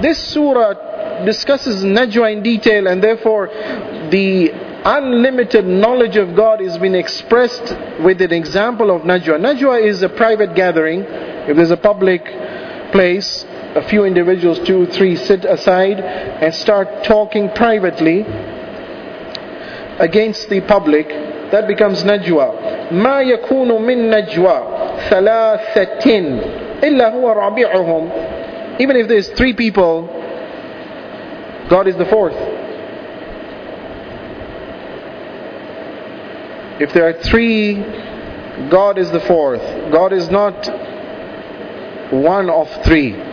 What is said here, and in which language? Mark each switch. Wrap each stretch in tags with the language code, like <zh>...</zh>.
<en>This surah discusses najwa in detail, and therefore the unlimited knowledge of God has been expressed with an example of Najwa. Najwa is a private gathering. If there's a public place, a few individuals, two, three, sit aside and start talking privately against the public, that becomes Najwa.</en> <ar>ما يكون من نجوى ثلاثتين إلا هو رابعهم.</ar> <en>Even if there's three people, God is the fourth. If there are three, God is the fourth. God is not one of three.</en>